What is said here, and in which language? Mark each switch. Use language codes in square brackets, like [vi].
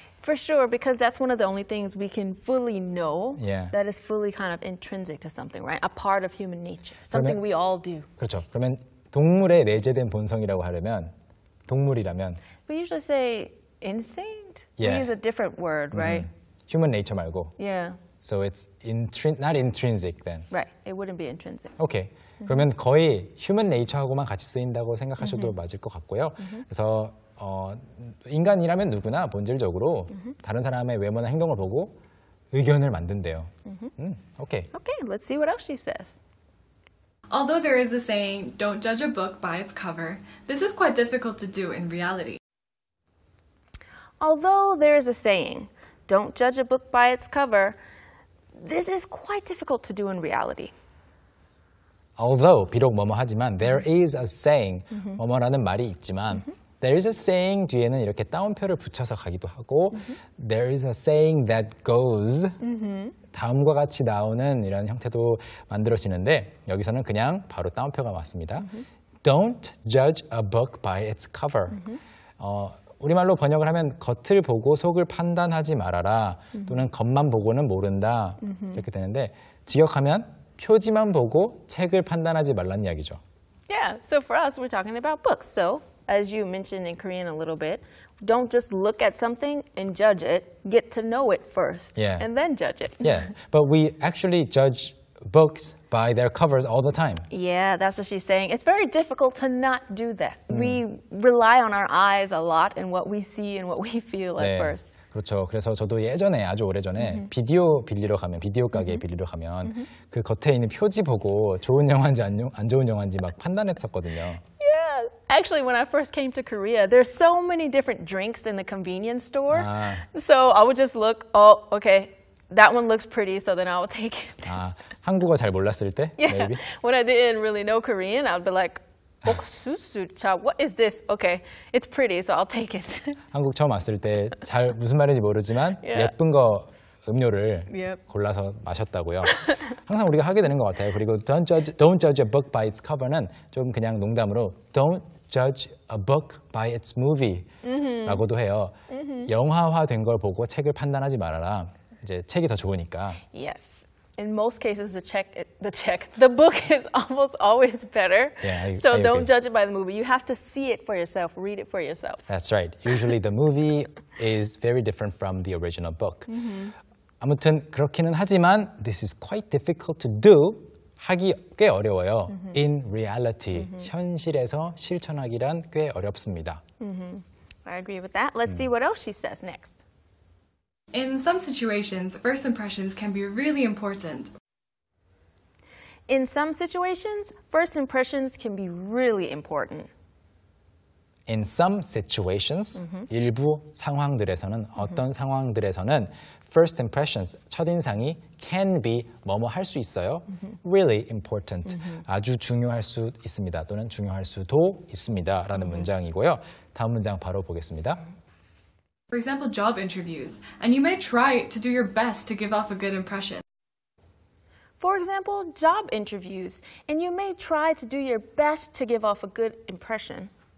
[en] For sure, because that's one of the only things we can fully know yeah. that is fully kind of intrinsic to something, right? A part of human nature, something [ko] 그러면, [en] we all do. [ko] 그렇죠. 그러면 동물의 내재된 본성이라고 하려면, 동물이라면. [en] We usually say instinct? Yeah. We use a different word, right? [ko] Human nature 말고. [en] Yeah. So it's not intrinsic then. Right. It wouldn't be intrinsic. [ko] Okay. Mm-hmm. 그러면 거의 human nature하고만 같이 쓰인다고 생각하셔도 mm-hmm. 맞을 것 같고요. Mm-hmm. 그래서 인간이라면 누구나 본질적으로 mm-hmm. 다른 사람의 외모나 행동을 보고 의견을 만든대요. [en] Mm-hmm. Okay. Okay. Let's see what else she says. Although there is a saying, don't judge a book by its cover, this is quite difficult to do in reality. Although there is a saying, don't judge a book by its cover, this is quite difficult to do in reality. Although, [ko] 비록 뭐뭐 하지만, [en] there is a saying, mm-hmm. [ko] 뭐뭐라는 말이 있지만, mm-hmm. [en] there is a saying [ko] 뒤에는 이렇게 따옴표를 붙여서 가기도 하고, mm-hmm. [en] there is a saying that goes, mm-hmm. [ko] 다음과 같이 나오는 이런 형태도 만들어지는데 여기서는 그냥 바로 따옴표가 맞습니다. [en] Mm-hmm. Don't judge a book by its cover. Mm-hmm. [ko] 우리말로 번역을 하면 겉을 보고 속을 판단하지 말아라. Mm-hmm. 또는 겉만 보고는 모른다. Mm-hmm. 이렇게 되는데 직역하면 표지만 보고 책을 판단하지 말라는 이야기죠. [en] Yeah, so for us, we're talking about books. So, as you mentioned in Korean a little bit, don't just look at something and judge it. Get to know it first yeah. and then judge it. Yeah, but we actually judge books by their covers all the time. Yeah, that's what she's saying. It's very difficult to not do that. Mm. We rely on our eyes a lot and what we see and what we feel at first. [ko] 그렇죠. 그래서 저도 예전에 아주 오래전에 mm-hmm. 비디오 빌리러 가면 비디오 가게에 mm-hmm. 빌리러 가면 mm-hmm. 그 겉에 있는 표지 보고 좋은 영화인지 안 좋은 영화인지 막 판단했었거든요. [en] Actually, when I first came to Korea, there's so many different drinks in the convenience store. [ko] 아. [en] So I would just look, oh, okay, that one looks pretty, so then I will take it. [ko] 아, 한국어 잘 몰랐을 때? [en] Yeah, maybe? When I didn't really know Korean, I'd be like, 옥수수차, what is this? Okay, it's pretty, so I'll take it. [ko] 한국 처음 왔을 때 잘 무슨 말인지 모르지만 yeah. 예쁜 거 음료를 yep. 골라서 마셨다고요. 항상 우리가 하게 되는 것 같아요. 그리고 [en] don't judge a book by its cover [ko] 는 좀 그냥 농담으로 [en] don't judge a book by its movie [ko] 라고도 mm-hmm. 해요. Mm-hmm. 영화화 된 걸 보고 책을 판단하지 말아라. 이제 책이 더 좋으니까. [en] Yes. In most cases, the book is almost always better. Yeah, so don't judge it by the movie. You have to see it for yourself, read it for yourself. That's right. Usually the movie is very different from the original book. Mm-hmm. [ko] 아무튼 그렇기는 하지만 [en] this is quite difficult to do [ko] 하기 꽤 어려워요. Mm-hmm. [en] In reality, mm-hmm. [ko] 현실에서 실천하기란 꽤 어렵습니다. [en] Mm-hmm. I agree with that. Let's see what else she says next. In some situations, first impressions can be really important. In some situations, first impressions can be really important. In some situations, [ko] mm-hmm. 일부 상황들에서는 어떤 mm-hmm. 상황들에서는 [en] First impressions, [ko] 첫인상이 [en] can be, [ko] 뭐뭐 할 수 있어요. Mm-hmm. [en] Really important, mm-hmm. [ko] 아주 중요할 수 있습니다. 또는 중요할 수도 있습니다. 라는 mm-hmm. 문장이고요. 다음 문장 바로 보겠습니다. [en] For example, job interviews. And you may try to do your best to give off a good impression. For example, job interviews. And you may try to do your best to give off a good impression.